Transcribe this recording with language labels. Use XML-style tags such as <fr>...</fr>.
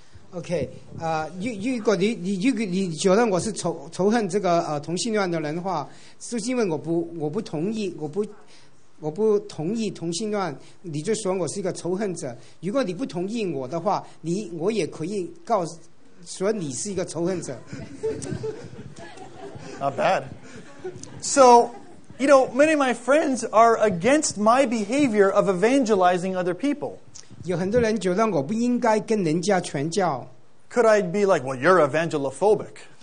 <zh>OK. 如果你觉得我是仇恨这个同性恋的人的话，就是因为我不同意同性恋，你就说我是一个仇恨者。如果你不同意我的话，我也可以告诉说你是一个仇恨者。</zh> <en>Not bad. So, you know, many of my friends are against my behavior of evangelizing other people.</en> <zh>有很多人觉得我不应该跟人家传教。</zh> <en>Could I be like, well, you're evangelophobic?</en>